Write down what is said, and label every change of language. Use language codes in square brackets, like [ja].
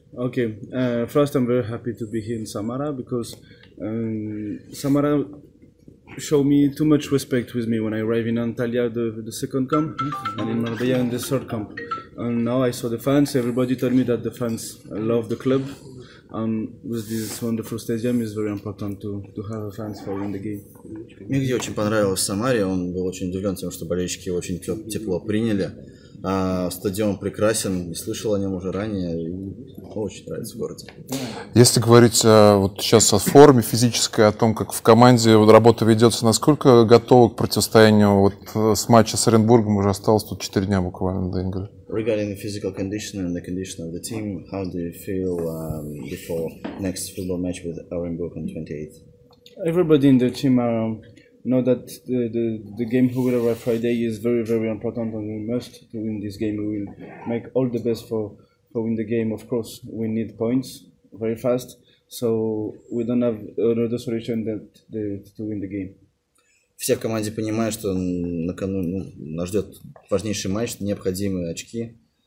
[en] Okay, first I'm very happy to be here in Samara because Samara showed me too much respect with me when I arrived in Antalya, the second camp, and in Marbella in the third camp. And now I saw the fans, everybody told me that the fans love the club, and with this wonderful stadium, it's very important to have fans following the game. [ru] Мне где очень понравилось в Самаре, он был очень удивлен тем, что болельщики очень тепло приняли. А стадион прекрасен, не слышал о нем уже ранее, и очень нравится в городе. Если говорить вот сейчас о форме физической, о том, как в команде вот работа ведется, насколько готовы к противостоянию вот с матча с Оренбургом, уже осталось тут 4 дня буквально до игры. [en] Regarding the physical condition and the condition of the team, how do you feel before next football match with Orenburg on 28th? Everybody in the team know that the game who will arrive Friday is very, very important, and we must win this game. We will make all the best for win the game. Of course, we need points very fast, so we don't have another solution that to win the game. [ru] Все в команде понимают, что нас ждет важнейший матч, необходимые очки.